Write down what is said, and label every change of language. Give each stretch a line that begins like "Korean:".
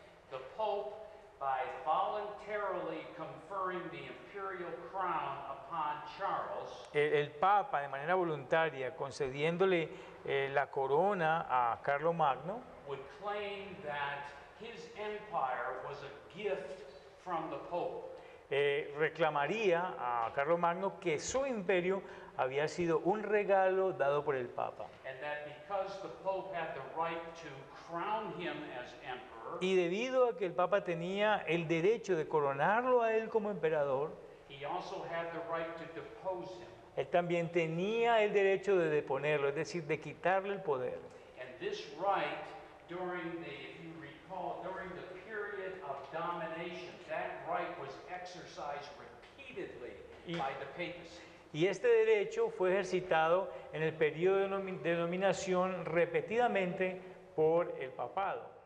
English: The Pope, by voluntarily conferring the imperial crown upon Charles,
Spanish: el Papa, de manera voluntaria, concediéndole la corona a Carlomagno,
English: would claim that his empire was a gift from the Pope.
Spanish: Reclamaría a Carlomagno que su imperio había sido un regalo dado por el Papa.
English: And that because the Pope had the right to crown him as emperor,
Spanish: y debido a que el Papa tenía el derecho de coronarlo a él como emperador,
English: he also had the right to depose him.
Spanish: Él también tenía el derecho de deponerlo, es decir, de quitarle el poder.
English: And this right, during the, if you recall, during the period of domination, that right was exercised repeatedly by the papacy.
Spanish: Y este derecho fue ejercitado en el periodo de dominación repetidamente por el papado.